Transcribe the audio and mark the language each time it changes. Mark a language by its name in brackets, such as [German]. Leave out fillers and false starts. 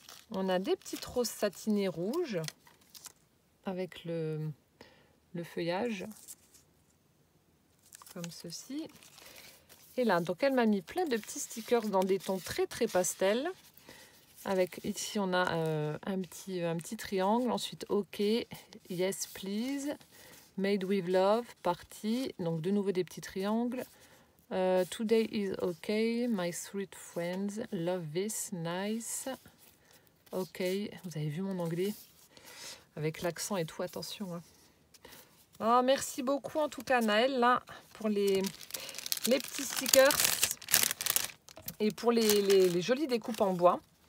[French] On a des petites roses satinées rouges avec le feuillage, comme ceci. Et là, donc elle m'a mis plein de petits stickers dans des tons très, très pastels. Avec, ici, on a un petit triangle. Ensuite, [English] OK, Yes, Please, Made with Love, Party. [French] Donc, de nouveau, des petits triangles. [English] Today is okay, my sweet friends. Love this, nice. [French] Okay, vous avez vu mon anglais avec l'accent et tout, attention. Hein. Oh, merci beaucoup en tout cas, Naël, là, pour les petits stickers et pour les jolies découpes en bois.